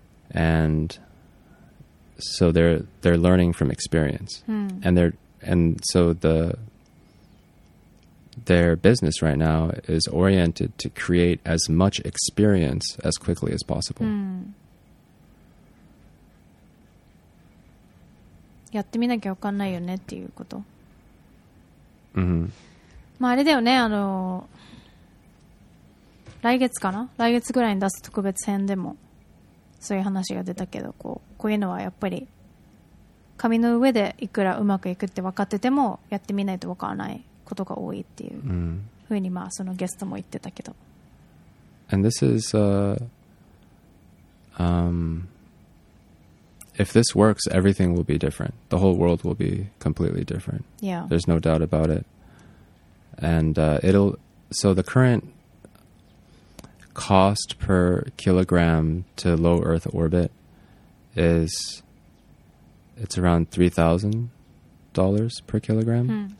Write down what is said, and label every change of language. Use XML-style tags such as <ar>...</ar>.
<en>And so they're learning from experience. Hmm. And so their business right now is oriented to create as much experience as quickly as possible.</en> <ja>やってみなきゃわかんないよねっていうこと。 Mm-hmm. まああれだよね、あの来月かな、来月ぐらいに出す特別編でもそういう話が出たけど、こういうのはやっぱり紙の上でいくらうまくいくって分かっててもやってみないと分からないことが多いっていうふうに、まあそのゲストも言ってたけど、 mm.</ja> <en>And this is if this works, everything will be different. The whole world will be completely different. Yeah. There's no doubt about it. And so the current cost per kilogram to low Earth orbit it's around $3,000 per kilogram.</en>